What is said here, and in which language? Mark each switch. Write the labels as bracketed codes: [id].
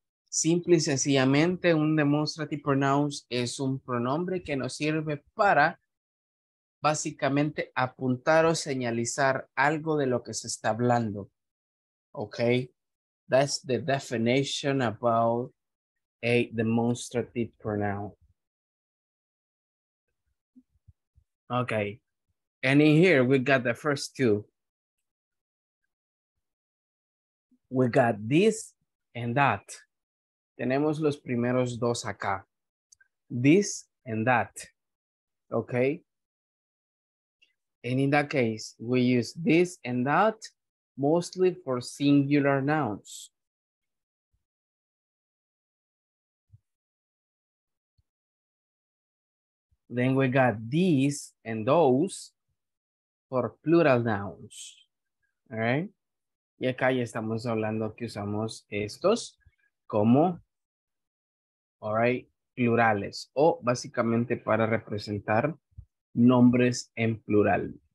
[es] Simple y sencillamente, un demonstrative pronoun es un pronombre que nos sirve para básicamente apuntar o señalizar algo de lo que se está hablando. [en] Okay, that's the definition about a demonstrative pronoun. Okay, and in here we got the first two. We got this and that. [es] Tenemos los primeros dos acá. [en] This and that. Okay. And in that case, we use this and that mostly for singular nouns. Then we got these and those for plural nouns. All right. [es] Y acá ya estamos hablando que usamos estos como, [en] all right, [es] plurales o básicamente para representar nombres en plural.